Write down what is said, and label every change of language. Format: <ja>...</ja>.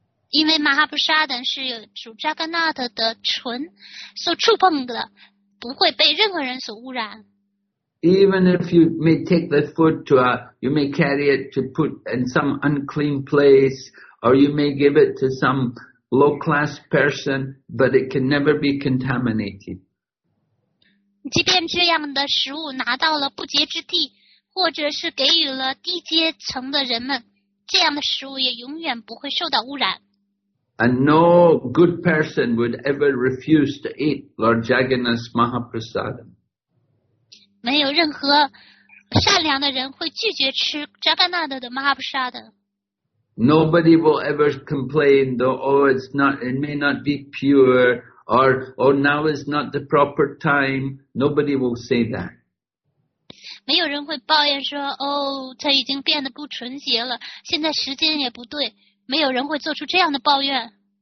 <zh>因为 Mahaprasadam 是主 Jagannath 的唇所触碰的，不会被任何人所污染。</zh> <en>Even if you may take the food to a, you may carry it to put in some unclean place, or you may give it to some low-class person, but it can never be contaminated.</en> <zh>即便这样的食物拿到了不洁之地，或者是给予了低阶层的人们，这样的食物也永远不会受到污染。</zh> <en>And no good person would ever refuse to eat Lord Jagannath's Mahaprasadam.</en> <zh>没有任何善良的人会拒绝吃 Jagannath 的 Mahaprasadam。</zh> <en>Nobody will ever complain, though, oh, it's not, it may not be pure, or, oh, now is not the proper time. Nobody will say that.</en> <zh>没有人会抱怨说，哦，它已经变得不纯洁了，现在时间也不对。没有人会做出这样的抱怨。</zh>